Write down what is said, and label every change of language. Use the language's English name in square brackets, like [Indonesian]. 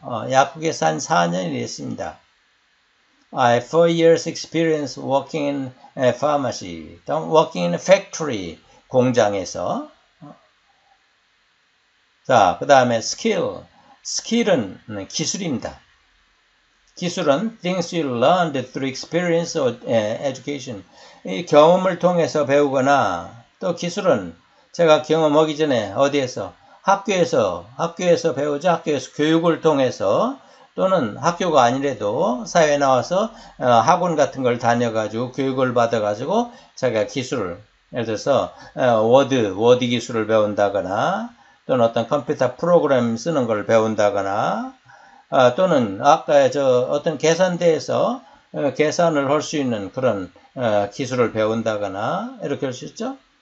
[Korean] 약국에서 한 4년 일했습니다. [English] I have 4 years experience working in pharmacy. Working in a factory. [Korean] 공장에서. 자, 그 다음에 스킬은 기술입니다. 기술은 [English] things you learned through experience or education. [Korean] 이 경험을 통해서 배우거나, 또 기술은 제가 경험하기 전에 어디에서? 학교에서 배우죠. 학교에서 교육을 통해서, 또는 학교가 아니래도 사회에 나와서 학원 같은 걸 다녀가지고 교육을 받아가지고 제가 기술을, 예를 들어서 워드 기술을 배운다거나, 또는 어떤 컴퓨터 프로그램 쓰는 걸 배운다거나, 또는 아까 저 어떤 계산대에서 계산을 할수 있는 그런 기술을 배운다거나, 이렇게 할수 있죠.